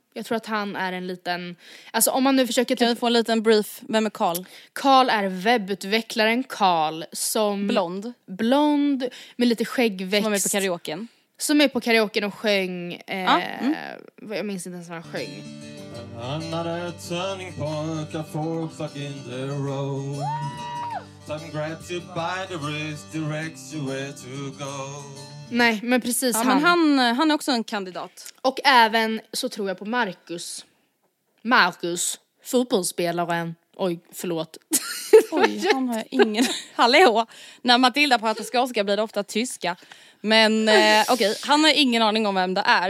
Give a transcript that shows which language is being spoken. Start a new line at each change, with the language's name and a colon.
Swedish: Jag tror att han är en liten, alltså om man nu försöker kan få en liten brief. Vem är Carl? Carl är webbutvecklaren Carl som... Blond med lite skäggväxt. Som är på karaoken. Som är på karaoken och sjöng... jag minns inte ens vad han sjöng.
English: Another turning point, a fork in the road. Time grabs you by the wrist, directs you where to go.
Swedish: Nej, men precis han. Men han är också en kandidat. Och även så tror jag på Marcus. Marcus, fotbollsspelaren. Oj, förlåt. Oj, han har ingen... Hallå! När Matilda pratar skånska blir det ofta tyska. Men okej, okay, han har ingen aning om vem det är.